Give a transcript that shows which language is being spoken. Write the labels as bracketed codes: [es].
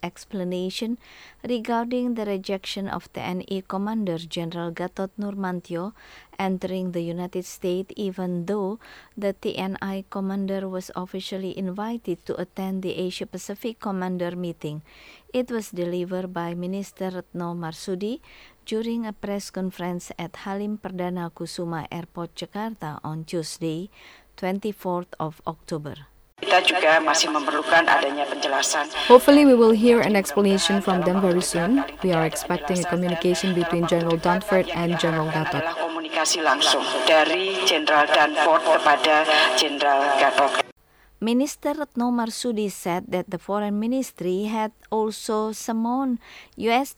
[en] explanation regarding the rejection of TNI Commander General Gatot Nurmantyo entering the United States, even though the TNI Commander was officially invited to attend the Asia-Pacific Commander meeting. It was delivered by Minister Retno Marsudi during a press conference at Halim Perdana Kusuma Airport, Jakarta on Tuesday, 24th of October. [id] Kita juga masih memerlukan adanya penjelasan. [en] Hopefully we will hear an explanation from them very soon. We are expecting a communication between General Dunford and General Gatot. [id] Komunikasi langsung dari General Dunford kepada General Gatot. [en] Minister Retno Marsudi said that the foreign ministry had also summoned U.S.